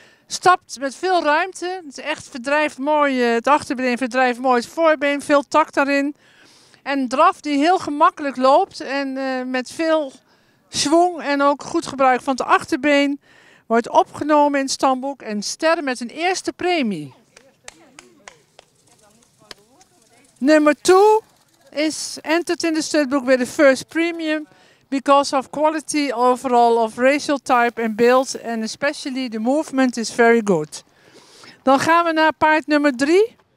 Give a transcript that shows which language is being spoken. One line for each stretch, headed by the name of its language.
Dutch: Stapt met veel ruimte. Het, echt verdrijft mooi, het achterbeen verdrijft mooi het voorbeen. Veel takt daarin. En draf die heel gemakkelijk loopt en met veel schwung en ook goed gebruik van het achterbeen wordt opgenomen in het stamboek en sterren met een eerste premie. Nummer 2
English: is entered in the studbook with the first premium because of quality overall of racial type and build and especially the movement is very good.
Dutch: Dan gaan we naar paard nummer 3.